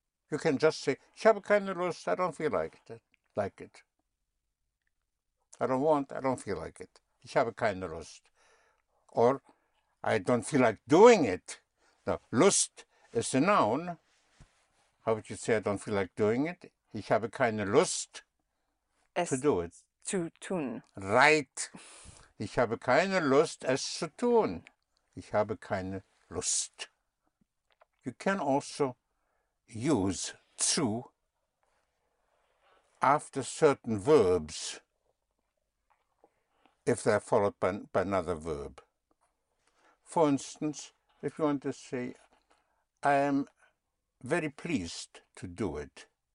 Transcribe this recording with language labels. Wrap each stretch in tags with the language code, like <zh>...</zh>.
<en>You can just say,</en> <de>ich habe keine Lust,</de> <en>I don't feel like it. I don't feel like it.</en> <de>Ich habe keine Lust.</de> <en>Or, I don't feel like doing it. Now, Lust is a noun. How would you say, I don't feel like doing it?</en> <de>Ich habe keine Lust</de> <en>to do it.</en> <de>Zu tun.</de> <en>Right.</en> <de>Ich habe keine Lust, es zu tun. Ich habe keine Lust.</de> <en>You can also use zu after certain verbs if they're followed by another verb. For instance, if you want to say, I am very pleased to do it.</en>